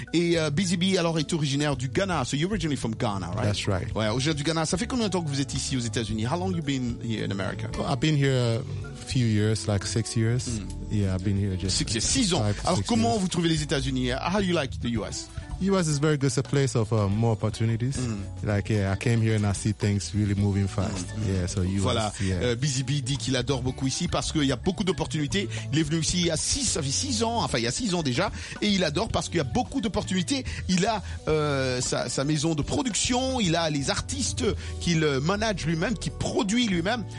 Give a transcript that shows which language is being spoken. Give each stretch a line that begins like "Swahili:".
French: Et Busy Bee, alors, est originaire du Ghana.
English: So you're originally from Ghana, right? That's right.
French: Ouais, originaire du Ghana. Ça fait combien de temps que vous êtes ici aux États-Unis?
English: How long you been here in America? Well, I've been here a few years, like 6 years. Mm. Yeah, I've been here just 6 years.
French: 6 ans. Alors, comment vous trouvez les États-Unis?
English: How do you like the U.S.? U.S. is very good. It's a place of more opportunities. Mm. Like, yeah, I came here and I see things really moving fast. Mm. Yeah, so U.S.
French: Voilà.
English: Yeah.
French: Busy Bee dit qu'il adore beaucoup ici parce qu'il y a beaucoup d'opportunités. Il est venu ici il y a six ans déjà. Et il adore parce qu'il y a beaucoup d'opportunités. Il a sa maison de production. Il a les artistes qu'il manage lui-même, qu'il produit lui-même.